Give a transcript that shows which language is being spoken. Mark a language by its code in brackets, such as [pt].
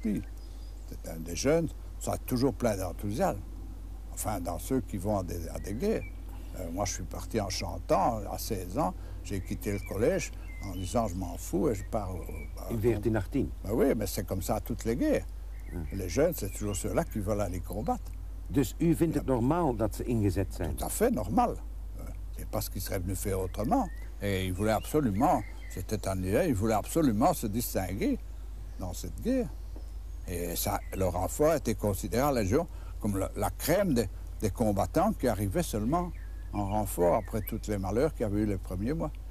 [fr] C'est un des jeunes, soit toujours plein d'enthousiasme. Enfin, dans ceux qui vont à des guerres. Moi, je suis parti en chantant à 16 ans. J'ai quitté le collège en disant je m'en fous et je pars. Ben oui, mais c'est comme ça à toutes les guerres. Mm. Les jeunes, c'est toujours ceux-là qui veulent aller combattre. [nl] Dus u vindt het normaal dat ze ingezet zijn? [fr] Tout à fait normal. C'est pas ce qu'ils seraient venus faire autrement. Et ils voulaient absolument. C'était un idée, ils voulaient absolument se distinguer dans cette guerre. Et ça, le renfort était considéré à la Légion comme la crème des combattants qui arrivaient seulement en renfort après tous les malheurs qu'il y avait eu les premiers mois.